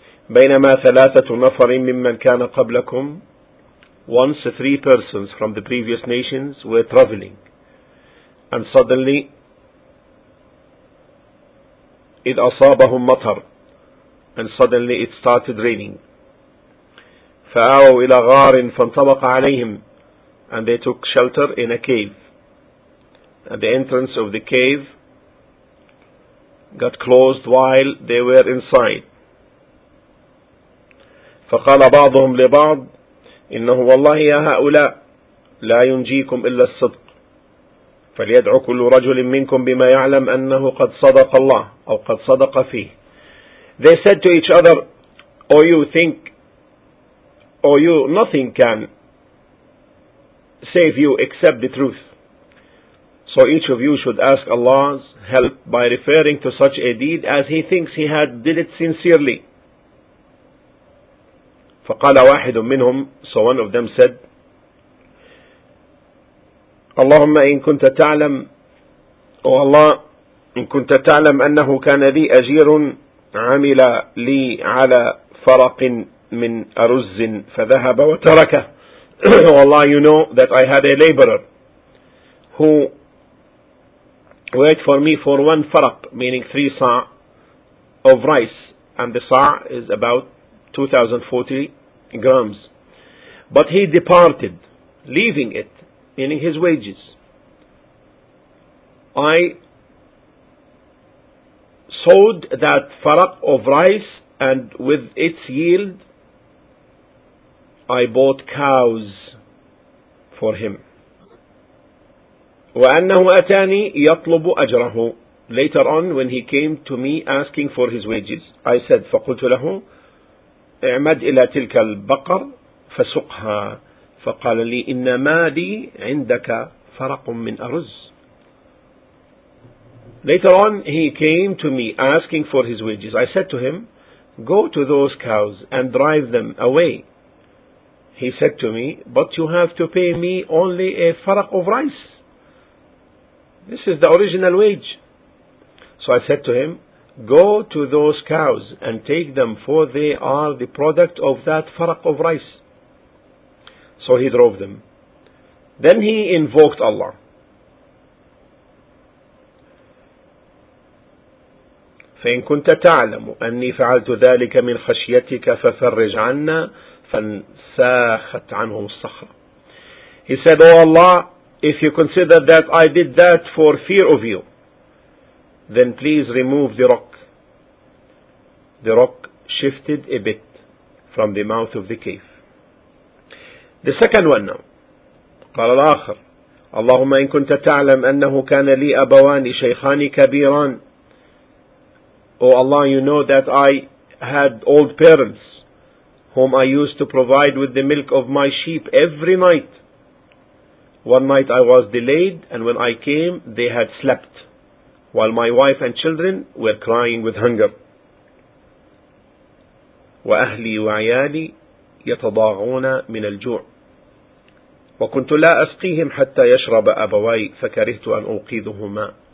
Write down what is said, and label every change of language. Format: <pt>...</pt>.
<ar>بينما ثلاثة نفر ممن كان قبلكم,</ar> <en>once three persons from the previous nations were traveling, and suddenly</en> <ar>إذ أصابهم مطر,</ar> <en>and suddenly it started raining.</en> <ar>فآووا إلى غار فانطبق عليهم,</ar> <en>and they took shelter in a cave. At the entrance of the cave got closed while they were inside.</en> <ar>فقال بعضهم لبعض إنه والله يا هؤلاء لا ينجيكم إلا الصدق فليدعو كل رجل منكم بما يعلم أنه قد صدق الله أو قد صدق فيه.</ar> <en>They said to each other, oh you think, oh you, nothing can save you except the truth. So each of you should ask Allah's help by referring to such a deed as he thinks he had did it sincerely.</en> <ar>فقال واحد منهم,</ar> <en>so one of them said,</en> <ar>اللهم إن كنت تعلم,</ar> <en>oh Allah,</en> <ar>إن كنت تعلم أنه كان لي أجير عمل لي على فرق من أرز فذهب وتركه.</ar> <en>Oh Allah, you know that I had a laborer who waited for me for one farak, meaning three sa' of rice, and the sa' is about 2040 grams, but he departed, leaving it, meaning his wages. I sowed that farak of rice, and with its yield, I bought cows for him.</en> <ar>وأنه أتاني يطلب أجره.</ar> <en>Later on, when he came to me asking for his wages, I said,</en> <ar>فقلت له, اعمد إلى تلك البقر فسقها. فقال لي إنما لي عندك فرق من أرز.</ar> <en>Later on he came to me asking for his wages. I said to him, go to those cows and drive them away. He said to me, but you have to pay me only a farak of rice. This is the original wage. So I said to him, go to those cows and take them, for they are the product of that farak of rice. So he drove them. Then he invoked Allah.</en> <ar>فَإِن كُنْتَ تَعْلَمُ أَنِّي فَعَلْتُ ذَلِكَ مِنْ خَشْيَتِكَ فَفَرِّجْ عَنَّا فَانْسَاخَتْ عَنْهُمْ الصَّخْرَةِ.</ar> <en>He said, oh Allah, if you consider that I did that for fear of you, then please remove the rock. The rock shifted a bit from the mouth of the cave. The second one now.</en> <ar>قال الآخر, اللهم إن كنت تعلم أنه كان لي أبوان شيخان كبيران.</ar> <en>Oh Allah, you know that I had old parents whom I used to provide with the milk of my sheep every night. One night I was delayed, and when I came, they had slept, while my wife and children were crying with hunger.</en> <ar>وأهلي وعيالي يتضاغون من الجوع. وكنت لا أسقيهم حتى يشرب أبواي فكرهت أن أوقظهما.</ar>